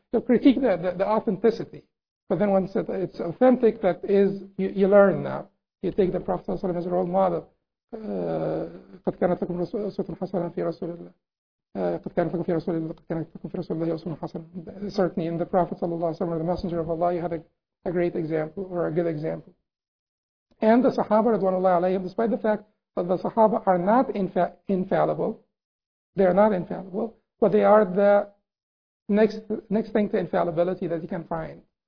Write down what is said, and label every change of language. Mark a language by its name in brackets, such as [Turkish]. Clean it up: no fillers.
[English] You'll critique the authenticity. But then once it's authentic, that is, you learn now. You take the Prophet ﷺ as a role model. [Arabic] قد كانت لكم أسوة حسنة في رسول الله قد كانت لكم في رسول الله قد كانت لكم في رسول الله أسوة حسنة. [English] Certainly in the Prophet [Arabic] صلى الله عليه وسلم, [English] the Messenger of Allah, you had a great example or a good example. And the Sahaba [Arabic] رضوان الله عليهم, [English] despite the fact that the Sahaba are not infallible, they are not infallible, but they are the next thing to infallibility that you can find.